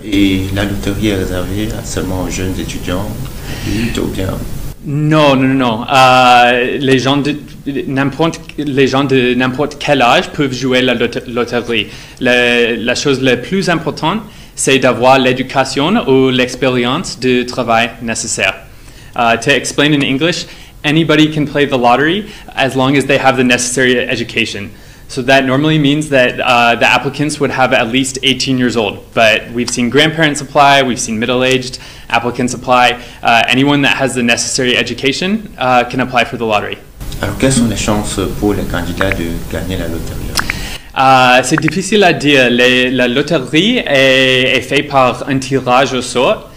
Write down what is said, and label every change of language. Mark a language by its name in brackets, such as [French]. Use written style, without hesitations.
[French] Et la loterie est réservée seulement aux jeunes étudiants, ou bien? Non. Les gens de n'importe quel âge peuvent jouer la loterie. La chose la plus importante, c'est d'avoir l'éducation ou l'expérience de travail nécessaire. [English] To explain in English, anybody can play the lottery as long as they have the necessary education. So that normally means that the applicants would have at least 18 years old. But we've seen grandparents apply, we've seen middle-aged applicants apply. Anyone that has the necessary education can apply for the lottery. [French] Alors, quelles sont les chances pour les candidats de gagner la loterie? C'est difficile à dire. La loterie est faite par un tirage au sort.